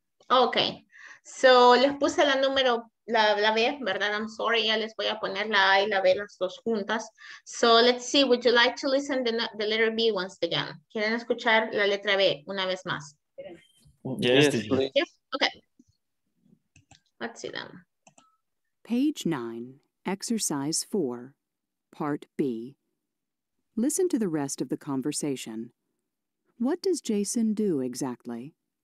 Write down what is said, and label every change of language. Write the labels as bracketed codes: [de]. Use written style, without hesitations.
[es] Ok, so les puse la número, la B, ¿verdad? [en] I'm sorry, [es] ya les voy a poner la A y la B las dos juntas. [en] So let's see, would you like to listen to the letter B once again? [es] ¿Quieren escuchar la letra B una vez más? [en] Yes. Ok. Let's see them. Page 9, Exercise 4, Part B. Listen to the rest of the conversation. What does Jason do exactly?